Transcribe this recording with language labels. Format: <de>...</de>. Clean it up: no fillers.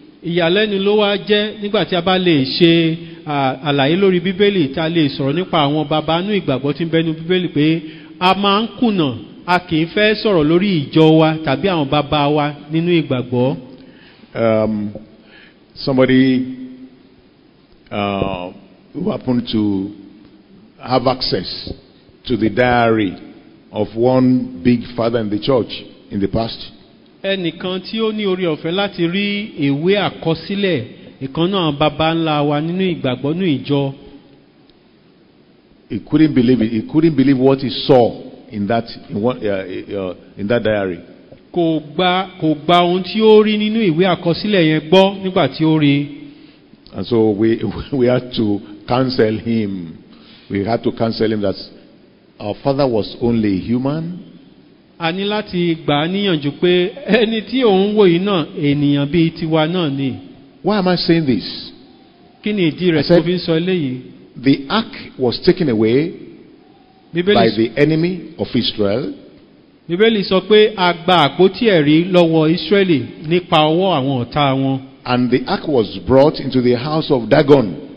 <yo>Iyalenu lo wa je nigba ti a ba le se alaye lori Bibeli ta le soro nipa awon baba nu igbagbo tin benu Bibeli pe a ma n kuna a ki fe soro lori ijo wa tabi awon baba wa ninu igbagbo.</yo> <en>Somebody who happened to have access to the diary of one big father in the church in the past.</en> <yo>Ẹnìkan tí ó ní orí ọ̀fẹ́ láti rí ìwé àkọsílẹ̀ ìkan náà bàbá ńlá wa nínú ìgbàgbọ́ nínú ìjọ.</yo> <en>He couldn't believe it. He couldn't believe what he saw in that diary.</en> <yo>Kò gba ohun tí ó rí nínú ìwé àkọsílẹ̀ yẹn gbọ́ nígbà tí ó rí.</yo> <en>And so we had to counsel him. We had to counsel him that our father was only human.</en> <yo>A ní láti gbà á níyànjú pé ẹni tí òun wò yìí náà ènìyàn bíi tiwa náà ni.</yo> <en>Why am I saying this?</en> <yo>Kí ni ìdí rẹ̀ tó fi ń sọ eléyìí?</yo> <en>The ark was taken away by the enemy of Israel.</en> <yo>Bíbélì sọ pé a gba àpótí ẹ̀rí lọ́wọ́ Ísírẹ́lì nípa ọwọ́ àwọn ọ̀tá wọn.</yo> <en>And the ark was brought into the house of Dagon.</en>